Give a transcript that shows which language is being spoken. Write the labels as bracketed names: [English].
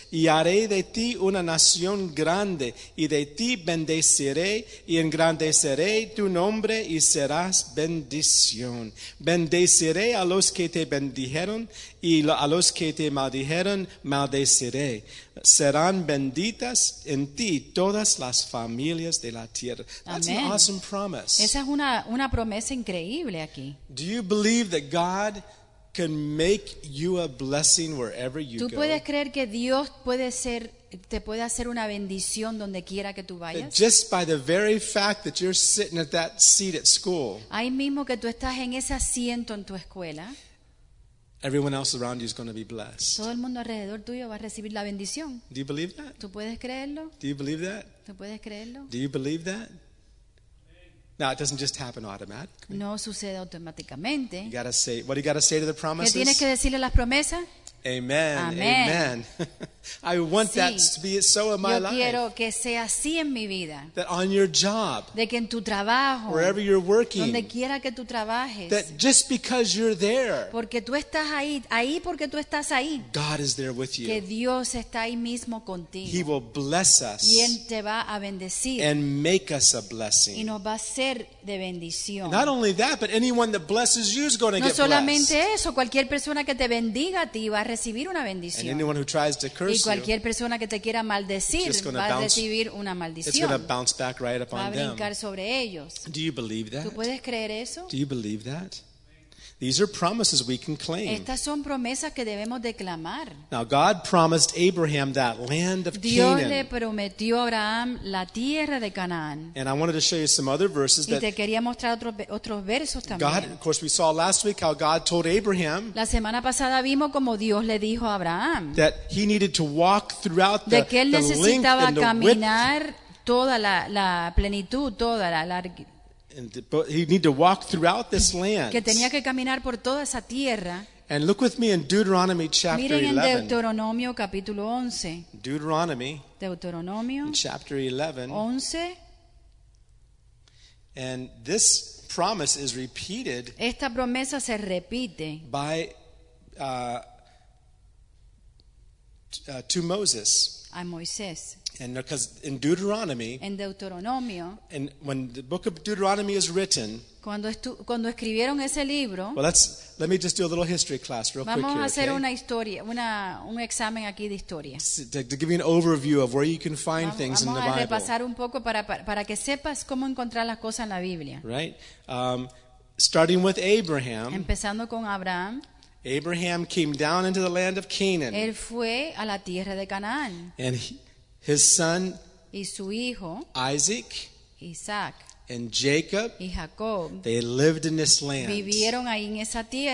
[Spanish] Y haré de ti una nación grande, y de ti bendeciré, y engrandeceré tu nombre, y serás bendición. Bendeciré a los que te bendijeron, y a los que te maldijeron, maldeciré. Serán benditas en ti todas las familias de la tierra. [English] That's Amen. An awesome promise. [Spanish] Esa es una promesa increíble aquí. [English] Do you believe that God can make you a blessing wherever you go. [Spanish] ¿Tú puedes creer que Dios puede ser te puede hacer una bendición donde quiera que tú vayas? [English] Just by the very fact that you're sitting at that seat at school. [Spanish] Ahí mismo que tú estás en ese asiento en tu escuela. [English] Everyone else around you is going to be blessed. [Spanish] Todo el mundo alrededor tuyo va a recibir la bendición. [English] Do you believe that? [Spanish] ¿Tú puedes creerlo? [English] Do you believe that? [Spanish] ¿Tú puedes creerlo? [English] Do you believe that? Now it doesn't just happen automatically. [Spanish] No sucede automáticamente. [English] You gotta say, what do you gotta say to the promises? [Spanish] ¿Qué tienes que decirle a las promesas? [English] Amen. Amen. Amen. I want [Spanish] sí. [English] that to be so in my [Spanish] Yo [English] life. [Spanish] Quiero que sea así en mi vida. [English] That on your job. [Spanish] De que en tu trabajo. [English] Wherever you're working. [Spanish] Donde quiera que tú trabajes. [English] That just because you're there. [Spanish] Porque tú estás ahí, ahí porque tú estás ahí. [English] God is there with you. [Spanish] Que Dios está ahí mismo contigo. [English] He will bless us. [Spanish] Y él te va a bendecir. [English] And make us a blessing. [Spanish] Y nos va a ser de bendición. [English] And not only that, but anyone that blesses you is going to [Spanish] no [English] get blessed. [Spanish] No solamente eso, cualquier persona que te bendiga a ti va a recibir una bendición. [English] And anyone who tries to curse [Spanish] y cualquier persona que te quiera maldecir va a recibir una maldición. [English] It's bounce back right upon [Spanish] va a brincar [English] them. [Spanish] Sobre ellos. [English] Do you believe that? [Spanish] ¿Tú puedes creer eso? [English] Do you believe that? These are promises we can claim. [Spanish] Estas son promesas que debemos declamar. [English] Now God promised Abraham that land of [Spanish] Dios Dios le prometió a Abraham la tierra de Canaán. [English] And I wanted to show you some other verses. [Spanish] Y te quería mostrar otros versos también. [English] God, of course, we saw last week how God told Abraham. [Spanish] La semana pasada vimos como Dios le dijo a Abraham. [English] That he needed to walk throughout the length and [Spanish] width. De que él necesitaba caminar toda la plenitud, toda la largura. [English] But he needed to walk throughout this land. [Spanish] Que tenía que caminar por toda esa tierra. [English] And look with me in Deuteronomy chapter 11. [Spanish] Miren en Deuteronomio capítulo 11. [English] Deuteronomy. [Spanish] Deuteronomio. [English] Chapter 11. [Spanish] 11. [English] And this promise is repeated. [Spanish] Esta promesa se repite. [English] By to Moses. [Spanish] A Moisés. [English] And because in Deuteronomy, [Spanish] en Deuteronomio, [English] and when the book of Deuteronomy is written, [Spanish] cuando escribieron ese libro, [English] well, let me just do a little history class real quick here. [Spanish] Vamos a hacer [English] okay? [Spanish] una historia, un examen aquí de historia. [English] To give you an overview of where you can find things in the Bible. [Spanish] Vamos a repasar un poco para que sepas cómo encontrar las cosas en la Biblia. [English] Right, starting with Abraham. [Spanish] Empezando con Abraham. [English] Abraham came down into the land of Canaan. [Spanish] Él fue a la tierra de Canaán. [English] And his son, [Spanish] y su hijo, [English] Isaac, [Spanish] Isaac, [English] and Jacob, [Spanish] y Jacob, [English] they lived in this land. [Spanish] Vivieron ahí en esa tierra.